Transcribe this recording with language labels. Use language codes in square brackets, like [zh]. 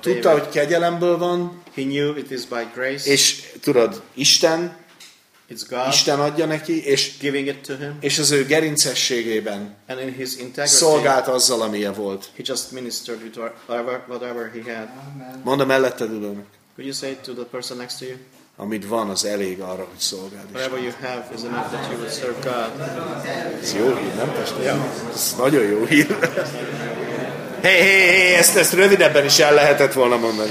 [hu] Tudta, hogy kegyelemből van. [en] He knew it is by grace. [hu] És tudod, Isten. [en] It's God. [hu] Isten adja neki, és [en] giving it to him. [hu] És az ő gerincességében. [en] And in his integrity. [hu] Szolgált azzal, amilyen volt. [en] He just ministered with whatever he had. [hu] Mondd a melletted ülőnek. [en] Could you say it to the person next to you? [hu] Amit van, az elég arra, hogy szolgáld Isten. [en] Whatever you have is enough that you will serve God. [hu] Ez jó hír, nem testvér? [en] Yeah. [hu] Ez nagyon jó hír. Hey, ezt rövidebben is el lehetett volna mondani.